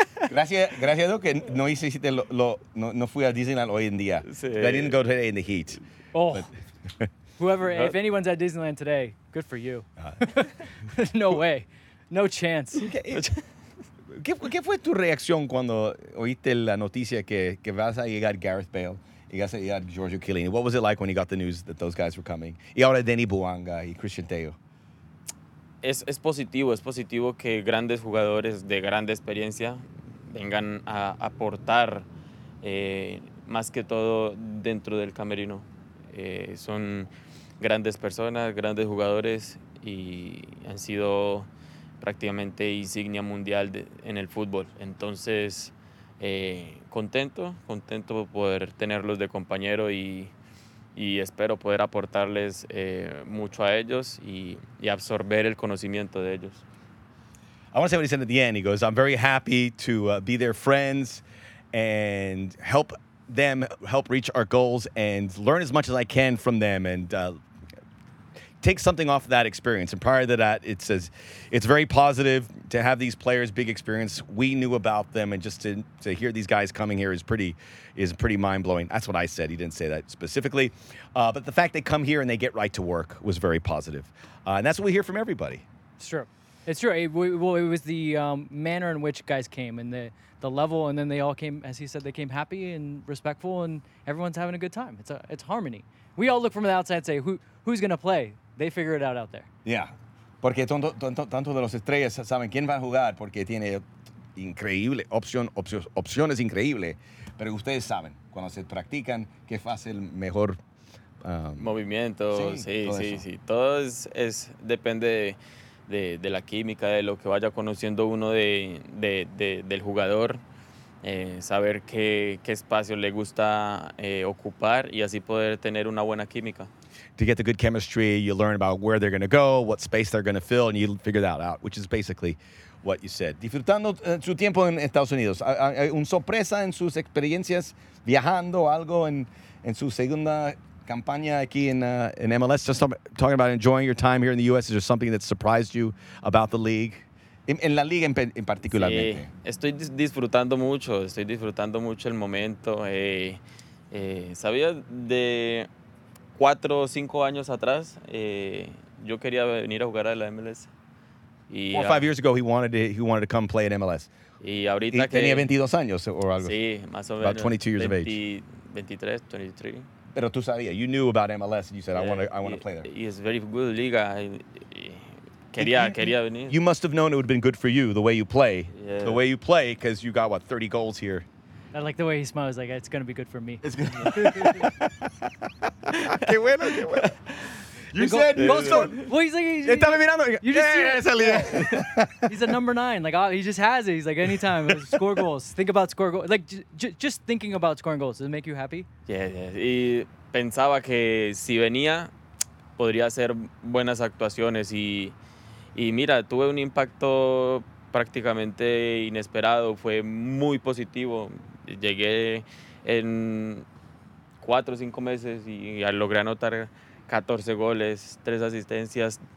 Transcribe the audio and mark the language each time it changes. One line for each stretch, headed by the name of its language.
Spanish: Gracias, Doc, que no hiciste no fui a Disneyland hoy en día. Sí.
English: I didn't go today in the heat. Oh. If anyone's at Disneyland today, good for you. no way. No chance.
Spanish: ¿Qué fue tu reacción cuando oíste la noticia que vas a llegar Gareth Bale y vas a llegar Giorgio Chiellini?
English: What was it like when you got the news that those guys were coming?
Spanish: Y ahora Denny Buanga y Christian Teo. Es positivo que grandes jugadores de grande experiencia vengan a aportar más que todo dentro del camerino. Son grandes personas, grandes jugadores y han sido prácticamente insignia mundial en el fútbol. Entonces, contento por poder tenerlos de compañero y espero poder aportarles mucho a ellos y absorber el conocimiento de ellos.
English: I want to say what he said at the end. He goes, I'm very happy to be their friends and help them help reach our goals and learn as much as I can from them and take something off of that experience. And prior to that, it says it's very positive to have these players, big experience. We knew about them, and just to hear these guys coming here is pretty mind-blowing. That's what I said. He didn't say that specifically. But the fact they come here and they get right to work was very positive. And that's what we hear from everybody. It's true. It was the manner in which guys came and the level, and then they all came, as he said, they came happy and respectful, and everyone's having a good time. It's harmony. We all look from the outside and say, who's going to play? They figure it out there. Yeah.
Spanish: Porque tanto de los estrellas saben quién va a jugar porque tiene increíble opciones increíbles. Pero ustedes saben, cuando se practican, qué fácil, mejor... Movimiento. Sí. Todo es depende de la química, de lo que vaya conociendo uno del jugador. Saber qué espacio le gusta ocupar y así poder tener una buena química.
English: To get the good chemistry, you learn about where they're going to go, what space they're going to fill, and you figure that out, which is basically what you said.
Spanish: Disfrutando su tiempo en Estados Unidos. Un sorpresa en sus experiencias viajando algo en su segunda campaña aquí en MLS.
English: Just talking about enjoying your time here in the U.S. Is there something that surprised you about the league?
Spanish: En la liga en particular. Sí, estoy disfrutando mucho. Estoy disfrutando mucho el momento. Sabía de 4 o 5 años atrás, yo quería venir a jugar a la MLS.
English: Y, 4 or 5 years ago, he wanted to come play at MLS.
Spanish: Y ahorita y tenía 22 años o algo. Sí, más o
English: about About 22 years 20, of age. 23, 23.
Spanish: Pero tú sabías,
English: you knew about MLS, and you said, I want to play there.
Spanish: Y es
English: very good
Spanish: liga. Quería venir.
English: You must have known it would have been good for you, the way you play. Yeah. The way you play, because you got, 30 goals here. I like the way he smiles. Like, it's going to be good for me.
Spanish: Qué bueno, qué bueno.
English: You said most of them. You just see he's a number 9. Like, he just has it. He's like, anytime. Score goals. Think about score goals. Like, just thinking about scoring goals. Does it make you happy? Yeah.
Spanish: Y pensaba que si venía, podría hacer buenas actuaciones. Y mira, tuve un impacto prácticamente inesperado. Fue muy positivo. Llegué en 4 o 5 meses y logré anotar 14 goles, 3 asistencias.